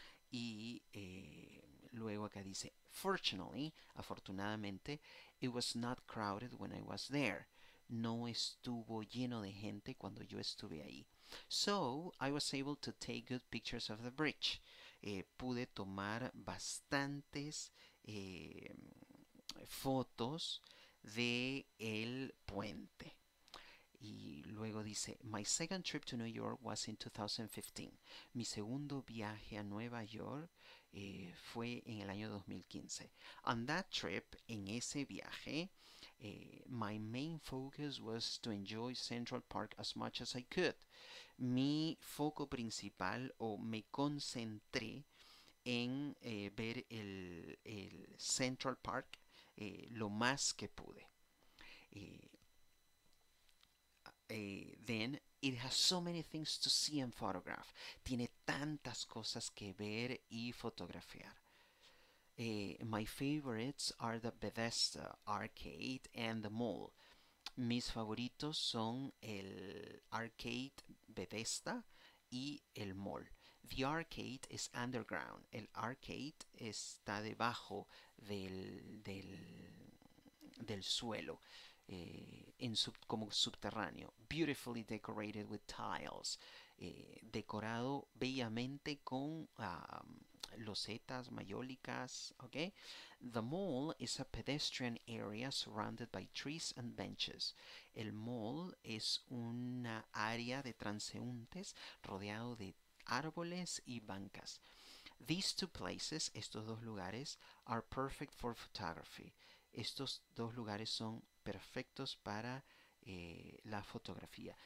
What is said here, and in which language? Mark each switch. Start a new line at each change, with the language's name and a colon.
Spanish: Y luego acá dice,
English: fortunately,
Spanish: afortunadamente,
English: it was not crowded when I was there.
Spanish: No estuvo lleno de gente cuando yo estuve ahí.
English: So, I was able to take good pictures of the bridge.
Spanish: Pude tomar bastantes fotos de el puente. Y luego dice,
English: my second trip to New York was in 2015.
Spanish: Mi segundo viaje a Nueva York fue en el año 2015.
English: On that trip,
Spanish: en ese viaje,
English: my main focus was to enjoy Central Park as much as I could.
Spanish: Mi foco principal me concentré en ver el Central Park lo más que pude.
English: Then it has so many things to see and photograph.
Spanish: Tiene tantas cosas que ver y fotografiar.
English: My favorites are the Bethesda Arcade and the Mall.
Spanish: Mis favoritos son el Arcade Bethesda y el Mall.
English: The Arcade is underground.
Spanish: El Arcade está debajo del suelo. En como subterráneo,
English: beautifully decorated with tiles,
Spanish: decorado bellamente con losetas mayólicas, okay.
English: The mall is a pedestrian area surrounded by trees and benches.
Spanish: El mall es una área de transeúntes rodeado de árboles y bancas.
English: These two places,
Spanish: estos dos lugares,
English: are perfect for photography.
Spanish: Estos dos lugares son perfectos para la fotografía.